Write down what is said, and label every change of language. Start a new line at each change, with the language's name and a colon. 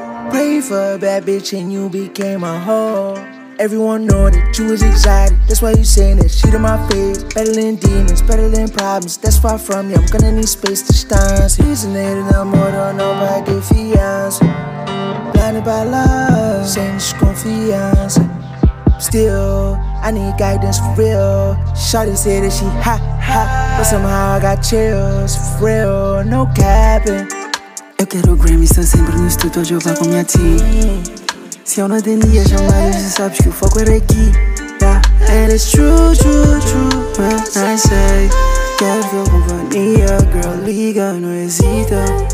English: Pray for a bad bitch and you became a hoe. Everyone know that you was excited. That's why you saying that shit in my face. Battling demons, battling problems. That's far from you, I'm gonna need space to stance.
Portuguese: Resonated na moral, não vai ter fiança.
English: Blinded by love,
Portuguese: sem desconfiança.
English: Still, I need guidance for real. Shawty say that she ha ha, but somehow I got chills for real, no capping.
Portuguese: Eu quero Grammy, estou sempre no estúdio a jogar com minha team. Se eu não atendia chamadas, tu sabes que o foco era aqui. Yeah.
English: And it's true, true, true when I say
Portuguese: quero tua companhia,
English: girl,
Portuguese: liga, não hesita.